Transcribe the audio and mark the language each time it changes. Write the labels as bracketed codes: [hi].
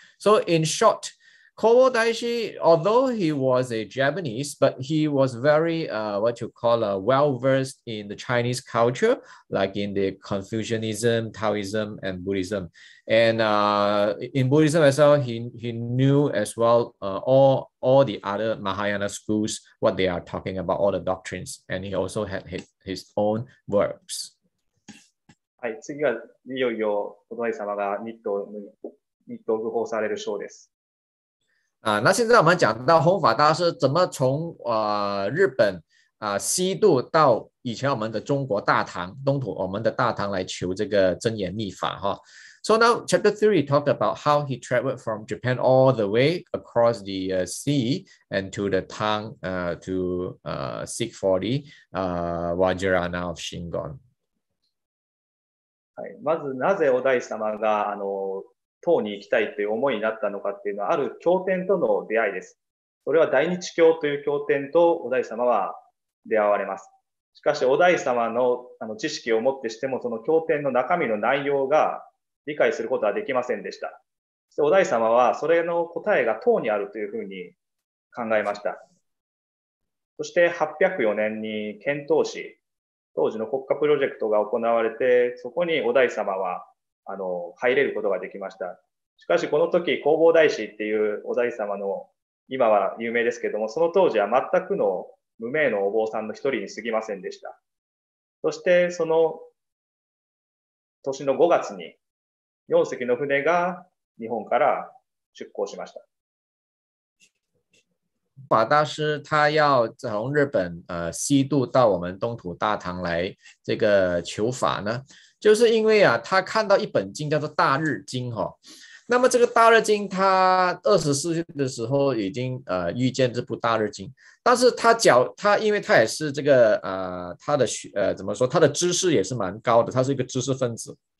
[en] So in short, Kobodaishi, although he was a Japanese, but he was very what you call a well-versed in the Chinese culture, like in the Confucianism, Taoism, and Buddhism. And in Buddhism as well, he knew as well all the other Mahayana schools, what they are talking about, all the doctrines, and he also had his own works. [ja] はい、次がいよいよ、お隣様が日東具法される章です。 [zh] 那现在我们讲到弘法大师怎么从日本西渡到以前我们的中国大唐东土，我们的大唐来求这个真言密法哈。 [en] So now chapter 3 talked about how he traveled from Japan all the way across the sea and to the Tang to seek for the Vajrayana of Shingon。 [ja] はい、まずなぜお大師様が唐に行きたいという思いになったのかっていうのは、ある経典との出会いです。それは大日経という経典とお大師様は出会われます。しかしお大師様の、知識をもってしても、その経典の中身の内容が理解することはできませんでした。そしてお大師様はそれの答えが唐にあるというふうに考えました。そして804年に遣唐使、当時の国家プロジェクトが行われて、そこにお大師様は入れることができました。しかしこの時、弘法大師っていうお大師様の、今は有名ですけれども、その当時は全くの無名のお坊さんの一人に過ぎませんでした。そしてその年の5月に4隻の船が日本から出港しました。 [zh] 法大师他要从日本西渡到我们东土大唐来这个求法呢，就是因为他看到一本经叫做《大日经》哈。那么这个《大日经》，他24岁的时候已经遇见这部《大日经》，但是他因为他也是这个他的学怎么说，他的知识也是蛮高的，他是一个知识分子。